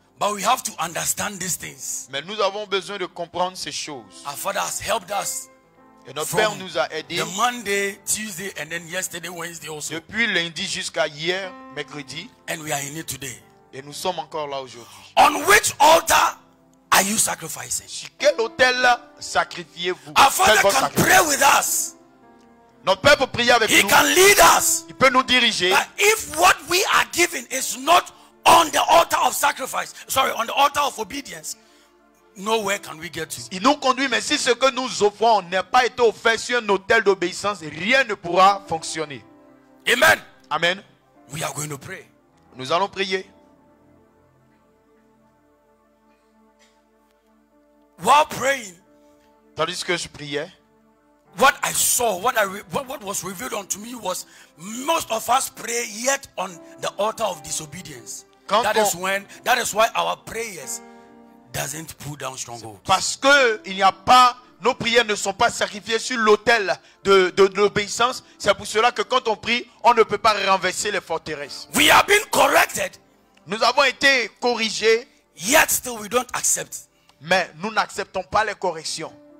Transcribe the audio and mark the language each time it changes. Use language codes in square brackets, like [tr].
[en] But we have to understand these things. [fr] Mais nous avons besoin de comprendre ces choses. [en] Our Father has helped us. [fr] Et notre Père nous a aidé. [en] The Monday, Tuesday, and then yesterday, Wednesday also. [fr] Depuis lundi jusqu'à hier, mercredi. [en] And we are in it today. [fr] Et nous sommes encore là aujourd'hui. [en] On which altar are you sacrificing? [fr] Sur quel autel sacrifiez-vous? [en] Our Father can sacrifice. Pray with us. [fr] Notre Père peut prier avec [en] He [fr] nous. [en] Can lead us. [fr] Il peut nous diriger. [en] But if what we are given is not on the altar of sacrifice, sorry, on the altar of obedience, nowhere can we get to. [fr] Il nous conduit, mais si ce que nous offrons n'est pas été offert sur un autel d'obéissance, rien ne pourra fonctionner. Amen. Amen. [en] We are going to pray. [fr] Nous allons prier. [en] While praying, [fr] tandis que je priais, [en] what I saw, what was revealed unto me was most of us pray yet on the altar of disobedience. [fr] Quand [en] that is when, that is why our prayers doesn't pull down strongholds. [fr] Parce que il n'y a pas, nos prières ne sont pas sacrifiées sur l'autel de l'obéissance. C'est pour cela que quand on prie, on ne peut pas renverser les forteresses. [en] We have been corrected. [fr] Nous avons été corrigés. [en] Yet still we don't accept. [fr] Mais nous n'acceptons pas les corrections.